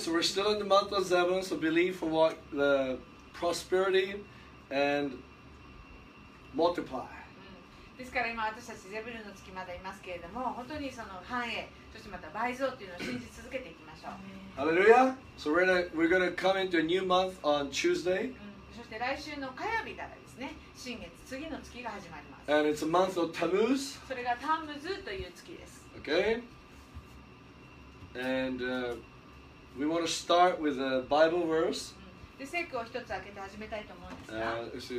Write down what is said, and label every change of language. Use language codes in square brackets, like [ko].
[en] So we're still in the month of Zebulun. So believe for what the prosperity and multiply. [ja] ですから今私たちゼブルの月まだいますけれども本当にその繁栄そしてまた倍増というのを信じ続けていきましょう。ハレルヤ。 [en] So we're gonna come into a new month on Tuesday、 [ja] うん。そして来週の火曜日からですね新月次の月が始まります。 [en] And it's a month of Tammuz。 [ja] それがタムズという月です。 [en] Okay. And、we want to start with a Bible verse、うん。 [ja] で聖句を一つ開けて始めたいと思うんですが。